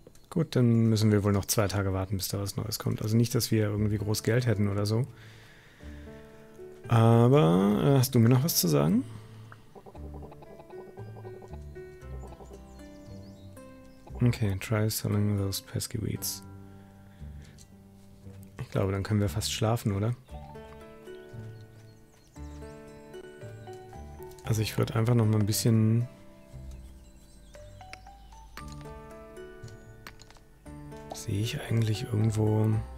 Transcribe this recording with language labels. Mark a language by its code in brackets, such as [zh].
[de] Gut, dann müssen wir wohl noch 2 Tage warten, bis da was Neues kommt. Also nicht, dass wir irgendwie groß Geld hätten oder so. Aber hast du mir noch was zu sagen? [en] Okay, try selling those pesky weeds. [de] Ich glaube, dann können wir fast schlafen, oder? Also ich würde einfach noch mal ein bisschen... Sehe ich eigentlich irgendwo...